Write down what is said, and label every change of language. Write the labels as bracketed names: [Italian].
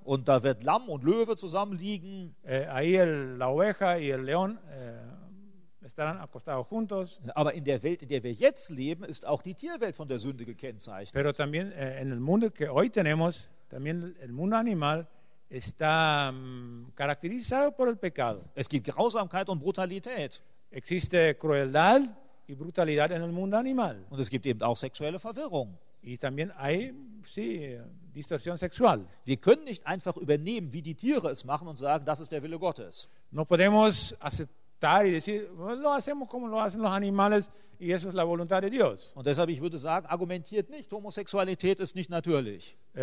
[German] Und da wird Lamm und Löwe zusammenliegen. [Spanish] Ahí la oveja y el león estarán acostados juntos. [German] Aber in der Welt, in der wir jetzt leben, ist auch die Tierwelt von der Sünde gekennzeichnet. [Spanish] Pero también en el mundo que hoy tenemos, también el mundo animal está caracterizado por el pecado. [German] Es gibt Grausamkeit und Brutalität. [Spanish] Existe crueldad y brutalidad en el mundo animal. [German] Und es gibt eben auch sexuelle Verwirrung. [Spanish] Y también hay, sí, distorsión sexual. [German] Wir können nicht einfach übernehmen, wie die Tiere es machen und sagen, das ist der Wille Gottes. [Spanish] No podemos aceptar y decir, lo hacemos como lo hacen los animales y eso es la voluntad de Dios. [German] Und deshalb, ich würde sagen, argumentiert nicht, Homosexualität ist nicht natürlich.